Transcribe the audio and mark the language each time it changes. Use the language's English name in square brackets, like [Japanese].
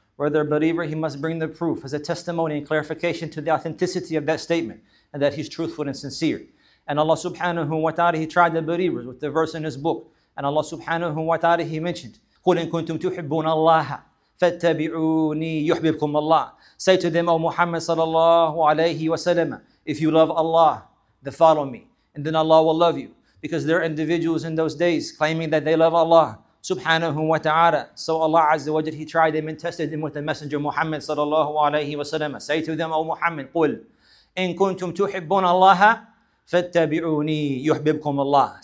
[English] Whether a believer, he must bring the proof as a testimony and clarification to the authenticity of that statement, and that he's truthful and sincere. And Allah subhanahu wa ta'ala, He tried the believers with the verse in His book. And Allah subhanahu wa ta'ala, He mentioned, [Arabic] قُلْ إِن كُنْتُمْ تُحِبُّونَ اللَّهَ فَاتَّبِعُونِي يُحْبِبْكُمْ اللَّهِ. [English] Say to them, O Muhammad sallallahu alayhi wa sallam, if you love Allah, then follow me, and then Allah will love you. Because there are individuals in those days claiming that they love Allah subhanahu wa ta'ala. So Allah Azza wa Jal, He tried them and tested them with the Messenger Muhammad sallallahu alayhi wa sallam. Say to them, O Muhammad, [Arabic] قُلْ إِن كُنْتُمْ تُحِبُّونَ اللَّهَ فَاتَّبِعُونِي يُحْبِبْكُمْ اللَّهِ.